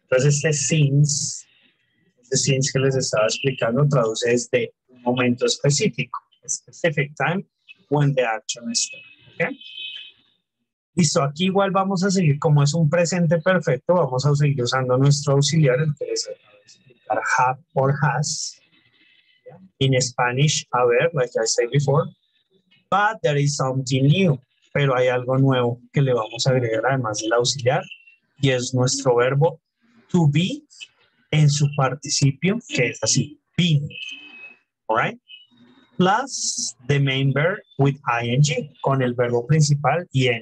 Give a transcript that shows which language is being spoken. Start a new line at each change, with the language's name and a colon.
Spanish: Entonces, este since que les estaba explicando traduce desde un momento específico,
English: specific time when the action is done,
Spanish: ¿ok? Listo, aquí igual vamos a seguir, como es un presente perfecto, vamos a seguir usando nuestro auxiliar, el que les acaba de explicar, have or has.
English: In Spanish,
Spanish: a ver,
English: like I said before, but there is something new.
Spanish: Pero hay algo nuevo que le vamos a agregar además del auxiliar, y es nuestro verbo to be en su participio, que es así, be.
English: All right? Plus the main verb with ing,
Spanish: con el verbo principal ing.